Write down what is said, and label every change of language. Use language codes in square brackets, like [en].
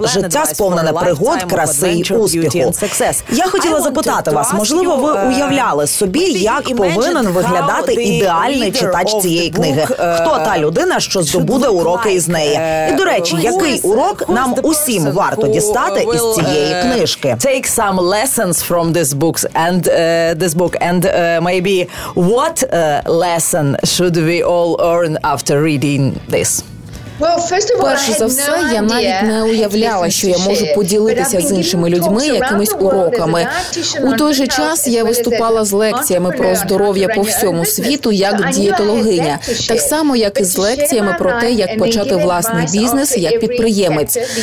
[uk] Життя сповнене пригод, краси і успіху». Я хотіла запитати вас, можливо, ви уявляли собі, як повинен виглядати ідеальний читач цієї книги? Хто та людина, що здобуде уроки із неї? І, до речі, який урок нам усім варто дістати із цієї книжки? [en] Take some lessons from this book and maybe what lesson should we all learn after reading this? [uk] Перше за все, я навіть не уявляла, що я можу поділитися з іншими людьми якимись уроками. У той же час я виступала з лекціями про здоров'я по всьому світу як дієтологиня. Так само, як і з лекціями про те, як почати власний бізнес як підприємець.